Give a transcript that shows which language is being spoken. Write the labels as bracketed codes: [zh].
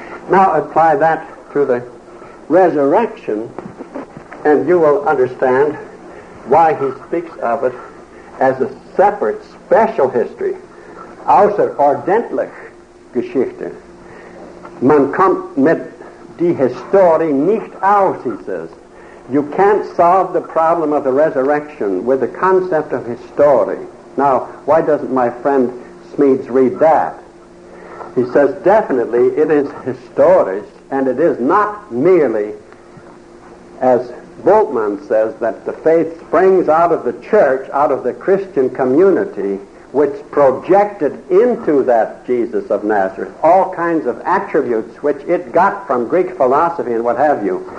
[en] Now apply that to the resurrection, and you will understand why he speaks of it as a separate, special history, [de] außerordentlich Geschichte. Man kommt mit die Historie nicht aus, [en] he says. You can't solve the problem of the resurrection with the concept of historie. Now, why doesn't my friend Smeeds read that? He says, definitely, it is historisch, and it is not merely, as Bultmann says, that the faith springs out of the church, out of the Christian community, which projected into that Jesus of Nazareth all kinds of attributes which it got from Greek philosophy and what have you.